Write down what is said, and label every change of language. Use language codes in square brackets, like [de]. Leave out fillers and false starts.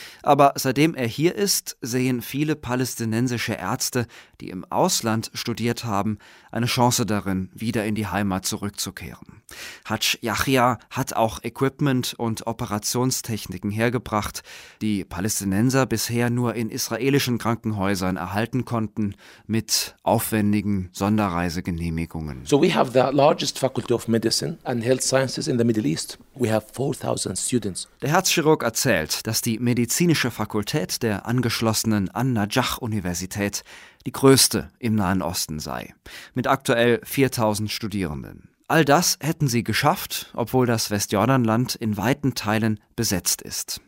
[de] Aber seitdem er hier ist, sehen viele palästinensische Ärzte, die im Ausland studiert haben, eine Chance darin, wieder in die Heimat zurückzukehren. Hadj Yahya hat auch Equipment und Operationstechniken hergebracht, die Palästinenser bisher nur in israelischen Krankenhäusern erhalten konnten, mit aufwendigen Sonderreisegenehmigungen. [en] So we have the largest faculty of medicine and health sciences in the Middle East. We have 4000 students. [de] Der Herzchirurg erzählt, dass die medizinische Fakultät der angeschlossenen An-Najah-Universität die größte im Nahen Osten sei, mit aktuell 4000 Studierenden. All das hätten sie geschafft, obwohl das Westjordanland in weiten Teilen besetzt ist.